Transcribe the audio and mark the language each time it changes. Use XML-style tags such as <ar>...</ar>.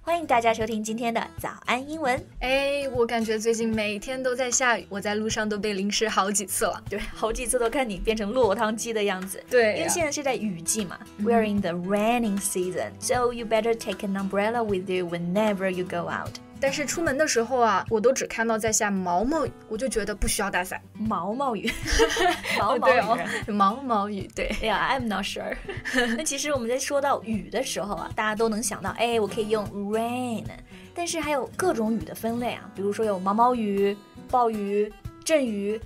<zh>欢迎大家收听今天的早安英文。哎，我感觉最近每天都在下雨，我在路上都被淋湿好几次了。对，好几次都看你变成落汤鸡的样子。对、啊，因为现在是在雨季嘛。</zh> <en>We're in the raining season, so you better take an umbrella with you whenever you go out.</en> <zh>但是出门的时候啊，我都只看到在下毛毛雨，我就觉得不需要大伞。毛毛雨，毛毛雨，对、哦、毛毛雨，对。</zh> <en>Yeah, I'm not sure.</en> <zh>那其实我们在说到雨的时候啊，大家都能想到，哎，我可以用 rain。但是还有各种雨的分类啊，比如说有毛毛雨、暴雨、阵雨，</zh>